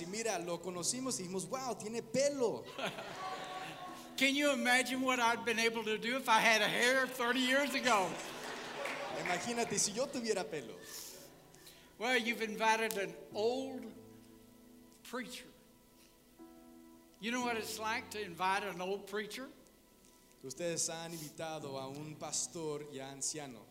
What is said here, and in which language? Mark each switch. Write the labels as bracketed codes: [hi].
[es] Y mira, lo conocimos y dijimos, wow, tiene pelo. [en] Can you imagine what I'd been able to do if I had a hair 30 years ago? [es] Imagínate si yo tuviera pelo. [en] Well, you've invited an old preacher. You know what it's like to invite an old preacher? [es] Ustedes han invitado a un pastor ya anciano.